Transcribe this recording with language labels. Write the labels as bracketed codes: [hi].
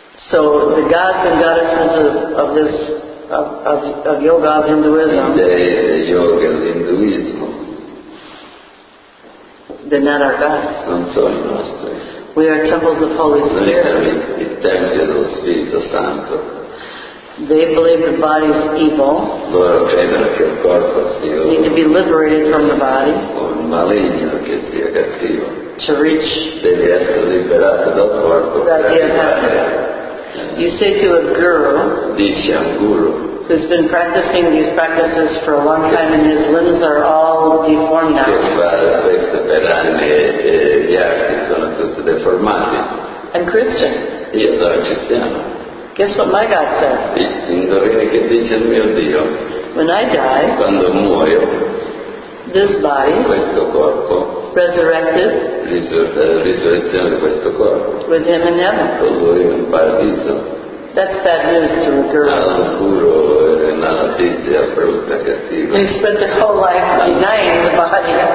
[en] So the gods and goddesses of yoga, of Hinduism, yoga, Hinduism, they're not our gods. [it] Non sono nostri. [en] We are temples of Holy Spirit. [it] Noi i templi dello Spirito Santo. [en] They believe the body is evil. [it] Loro credono che il corpo sia. [en] Need to be liberated from the body. [it] Un maligno che sia cattivo. [en] To reach. [it] Devi essere liberato dal corpo. [en] That be effective. You say to a guru. [it] Dici a un guru. [en] Who's been practicing these practices for a long time and his limbs are all deformed now. [it] Che fa questo per anni e gli arti sono tutti deformati. [en] I'm Christian. [it] Io sono cristiano. [en] Guess what my God says? [it] Indovina che dice il mio Dio. [en] When I die, [it] quando muoio, [en] this body, [it] questo corpo, [en] resurrected, [it] risurrezione di questo corpo, [en] with him in heaven, [it] con lui in paradiso. [en] That's bad news to a girl. [it] Alcuro è una notizia brutta cattiva. [en] They spent their whole life denying the body.